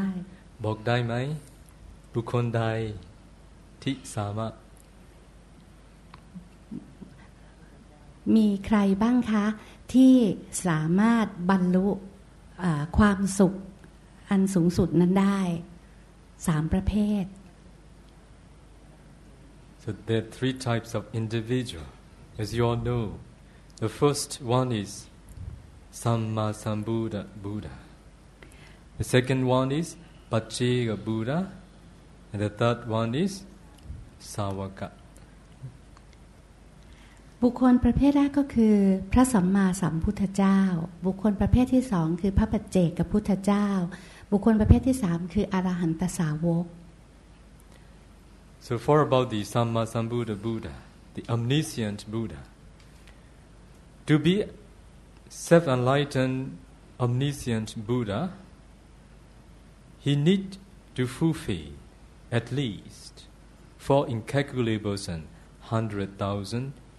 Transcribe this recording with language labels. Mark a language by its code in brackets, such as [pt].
[th] บอกได้ไหมบุคคลใดที่สามารถ มีใครบ้างคะที่สามารถบรรลุความสุขอันสูงสุดนั้นได้3ประเภท [en] So there are three types of individual as you all know. The first one is Samma Sambuddha Buddha. The second one is Paccika Buddha and the third one is Savaka. [th] บุคคลประเภทแรกก็คือพระสัมมาสัมพุทธเจ้าบุคคลประเภทที่สองคือพระปัจเจกพุทธเจ้าบุคคลประเภทที่สามคืออรหันตสาวก [en] So for about the Samma Sambuddha Buddha, the omniscient Buddha, to be self-enlightened omniscient Buddha, he need to fulfill at least four incalculable sin, 100,000.